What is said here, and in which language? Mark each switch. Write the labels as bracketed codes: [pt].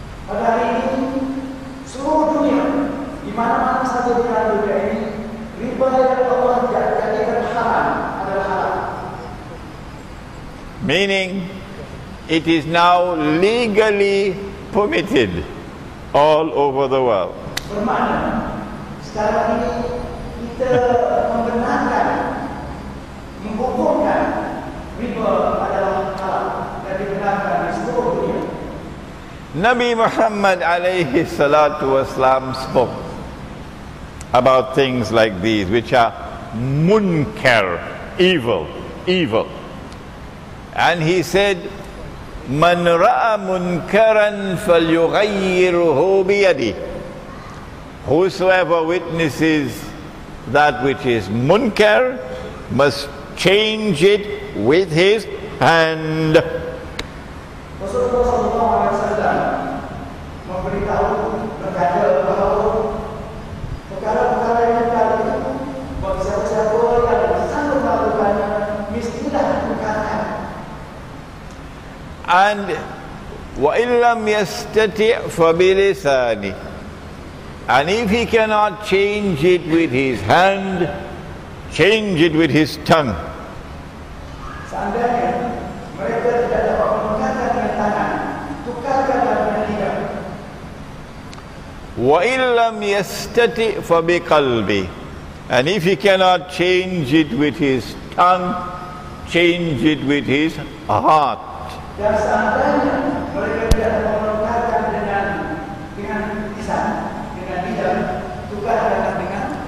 [ms] Pada hari ini, seluruh dunia, di mana-mana saja di dalam dunia ini, riba yang Allah jadikan haram adalah halal. [en] Meaning, it is now legally permitted all over the world. [ms] Bermakna, sekarang ini kita membenarkan, menghukumkan riba adalah halal dan dibenarkan di seluruh dunia. [en] Nabi Muhammad alayhi salatu wasalam spoke about things like these, which are munkar, evil, evil. And he said, [ar] Man ra'a munkaran falyughayyirhu biyadi. [en] Whosoever witnesses that which is munkar must change it with his hand. [ar] And وَإِلَّمْ يَسْتَتِعْ فَبِلِسَانِ. [en] And if he cannot change it with his hand, change it with his tongue. [ms] Seandainya mereka tidak dapat mengatakan dengan tangan, tukarkanlah dengan lidah. [ar] وَإِلَّمْ يَسْتَتِعْ فَبِقَلْبِ. [en] And if he cannot change it with his tongue, change it with his heart. [ms] Dan seandainya mereka tidak mengatakan dengan lisan, dengan lidah, tukarkanlah dengan